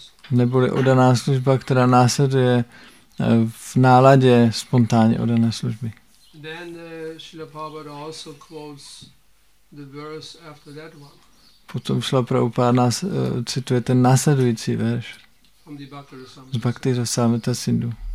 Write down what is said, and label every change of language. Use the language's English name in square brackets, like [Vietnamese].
[Czech] Neboli oddaná služba, která následuje v náladě spontánní oddané služby. [English] Then Srila Prabhupada also quotes the verse after that one. [Czech] Potom Srila Prabhupada nás cituje ten následující verš z Bhaktivinoda Sindhu.